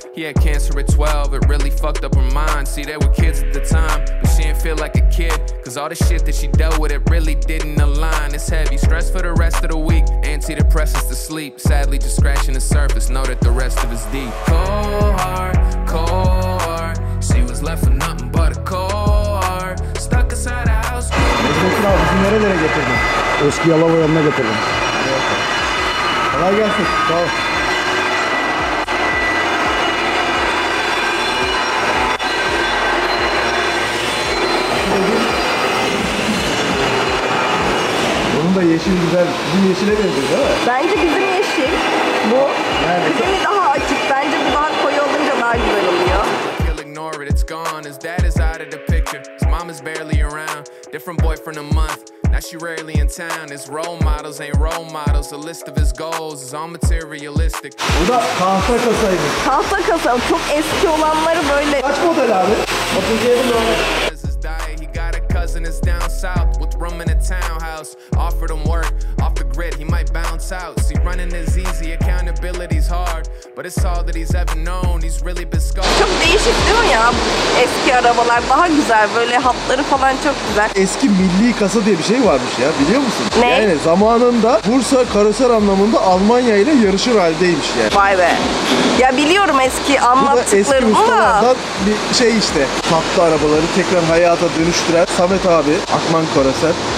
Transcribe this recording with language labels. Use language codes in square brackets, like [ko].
[en] He had cancer at 12, it really fucked up her mind. See, they were kids at the time, but she ain't feel like a kid. Cause all the shit that she dealt with, it really didn't align. It's heavy stress for the rest of the week. Antidepressants to sleep, sadly just scratching the surface. Know that the rest of it's deep. Cold heart, cold heart. She was left with nothing but a cold heart. Stuck inside a house. [tr] Mesela bizi nerelere getirdin? Eski Yalova yanına getirdim. Kolay gelsin. Sağ ol. Bunun da yeşil güzel. Bizim yeşile benziyor değil mi? Bence bizim yeşil. Bu. Yani. Bizim daha açık. Bence bir daha koyu olunca daha güzel oluyor. [en] He'll ignore it, it's gone. His dad is out of the picture. His mom is barely around. Different boyfriend a month. Now she rarely in town. His role models ain't role models. The list of his goals is all materialistic. [tr] Bu da tahta kasaydı. Tahta kasa. Çok eski olanları böyle. Kaç model abi? 37 mi? [en] He got a cousin is down south with room in a townhouse. Offered him work off the grid. He might bounce out. See, running is easy. Accountability's hard. But it's all that he's ever known. He's really been scarred. [tr] Çok değişik değil mi ya? Eski arabalar daha güzel. Böyle hatları falan çok güzel. Eski milli kasa diye bir şey varmış ya. Biliyor musun? Ne? Yani zamanında Bursa karoser anlamında Almanya ile yarışır haldeymiş yani. Vay be. Ya biliyorum eski anlattıklarımı. Bu da eski ustalardan bir şey işte. Tatlı arabaları tekrar hayata dönüştüren Samet abi. Akman Karoser.